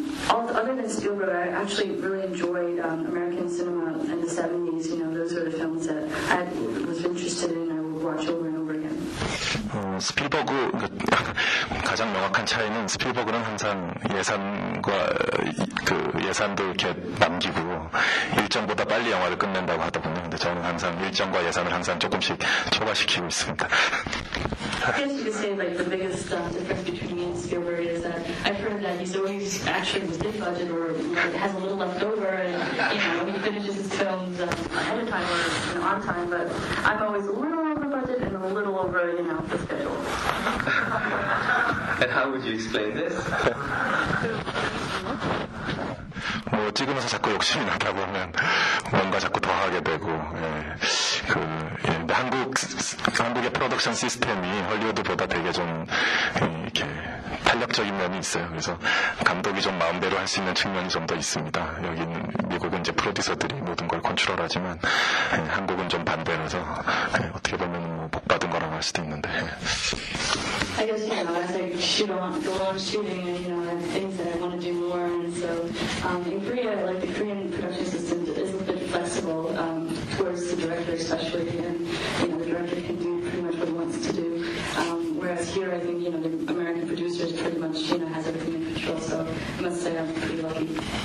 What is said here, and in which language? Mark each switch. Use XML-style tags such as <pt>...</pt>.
<en>Other than Spielberg, I actually really enjoyed American cinema in the 70s. You know, those were the films that I was interested in. I would watch. watch over and over again.</en> <ko>스피버그 그, 가장 명확한 차이는 스피버그는 항상 예산과 그 예산도 이렇게 남기고 일정보다 빨리 영화를 끝낸다고 하다 보면 근데 저는 항상 일정과 예산을 항상 조금씩 초과시키고 있습니다.</ko> <en>I guess you could say like the biggest difference between me and Spielberg is that I've heard that he's always actually with big budget or has a little left over and you know he finishes his films ahead of time or you know, on time, but I'm always a little over budget and a little over, you know, the schedule. And how would you explain this?</en> <ko>뭐 찍으면서 자꾸 욕심이 나다 보면 뭔가 자꾸 더 하게 되고 예. 그 예. 근데 한국의 프로덕션 시스템이 할리우드보다 되게 좀 이렇게 탄력적인 면이 있어요. 그래서 감독이 좀 마음대로 할 수 있는 측면이 좀 더 있습니다. 여기는 미국은 이제 프로듀서들이 모든 걸 컨트롤하지만 예. 한국은 좀 반대라서 예. 어떻게 보면 뭐 복 받은 거라고 할 수도 있는데. 예.</ko> <en>I guess, you know, as I go on shooting, you know, I have things that I want to do more, and so in Korea, like the Korean production system is a bit flexible towards the director especially, and, you know, the director can do pretty much what he wants to do, whereas here, I think, you know, the American producers pretty much, you know, has everything in control, so I must say I'm pretty lucky.</en>